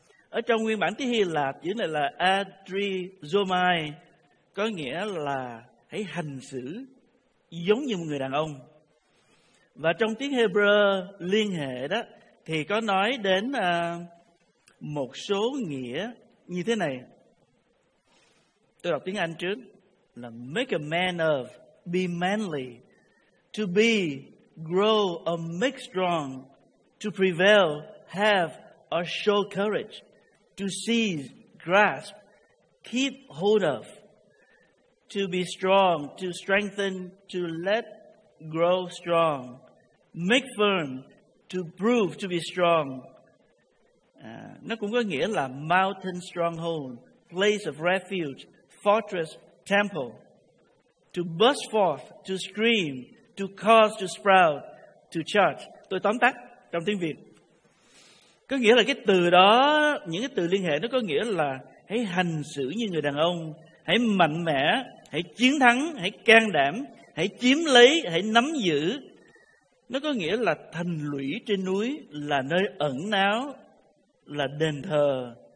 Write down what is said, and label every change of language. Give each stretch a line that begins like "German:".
Vietnamese: Ở trong nguyên bản tiếng Hy Lạp, chữ này là adrizomai, có nghĩa là hãy hành xử giống như một người đàn ông. Và trong tiếng Hebrew liên hệ đó, thì có nói đến một số nghĩa như thế này. Tôi đọc tiếng Anh trước, là
English: make a man of, be manly, to be, grow or make strong, to prevail, have or show courage, to seize, grasp, keep hold of, to be strong, to strengthen, to let grow strong, make firm, to prove to be strong.
Vietnamese: Nó cũng có nghĩa là
English: mountain stronghold, place of refuge, fortress, temple, to burst forth, to scream, to cause, to sprout, to charge.
Vietnamese: Tôi tóm tắt trong tiếng Việt. Có nghĩa là cái từ đó, những cái từ liên hệ nó có nghĩa là hãy hành xử như người đàn ông, hãy mạnh mẽ, hãy chiến thắng, hãy can đảm, hãy chiếm lấy, hãy nắm giữ. Nó có nghĩa là thành lũy trên núi là nơi ẩn náu, là đền thờ.